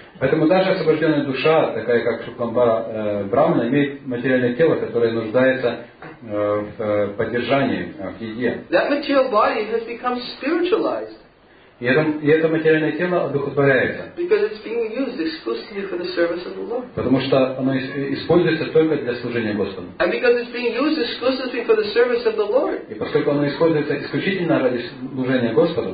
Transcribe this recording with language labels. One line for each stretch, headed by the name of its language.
Russian: Поэтому даже освобожденная душа, такая как Шукламба Брамана, имеет материальное тело, которое нуждается в поддержании, в еде.
English: That material body has become spiritualized.
Russian: И это материальное тело одухотворяется.
English: Because it's being used exclusively for the service of the Lord.
Russian: Потому что оно используется только для служения Господу.
English: And because it's being used exclusively for the service of the Lord.
Russian: И поскольку оно используется исключительно ради служения Господу.